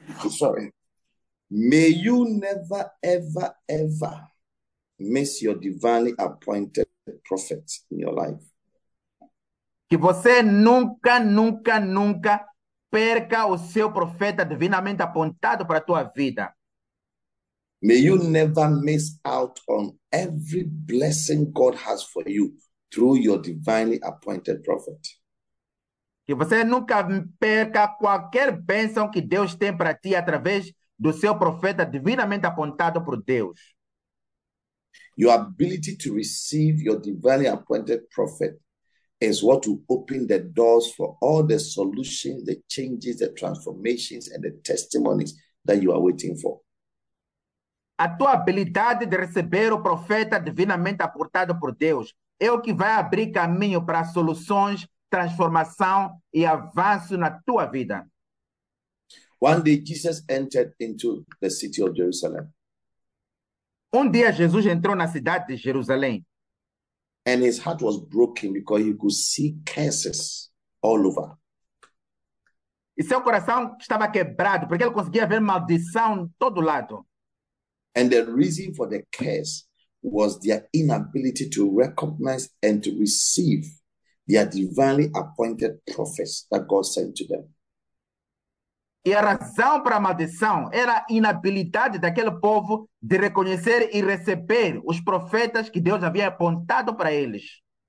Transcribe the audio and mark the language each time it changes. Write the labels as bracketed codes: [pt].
[en] Sorry. May you never, ever, ever miss your divinely appointed prophet in your life. [pt] Que você nunca, nunca, nunca perca o seu profeta divinamente apontado para a tua vida. [en] May you never miss out on every blessing God has for you through your divinely appointed prophet. [pt] Que você nunca perca qualquer bênção que Deus tem para ti através do seu profeta divinamente apontado por Deus. [en] Your ability to receive your divinely appointed prophet is what will open the doors for all the solutions, the changes, the transformations, and the testimonies that you are waiting for. [pt] A tua habilidade de receber o profeta divinamente apontado por Deus é o que vai abrir caminho para soluções, transformação e avanço na tua vida. [en] One day Jesus entered into the city of Jerusalem. [pt] Um dia Jesus entrou na cidade de Jerusalém. [en] And his heart was broken because he could see curses all over. [pt] E seu coração estava quebrado porque ele conseguia ver maldição em todo lado. [en] And the reason for the curse was their inability to recognize and to receive their divinely appointed prophets that God sent to them. [pt] E a razão para a maldição era a inabilidade daquele povo de reconhecer e receber os profetas que Deus havia apontado para eles.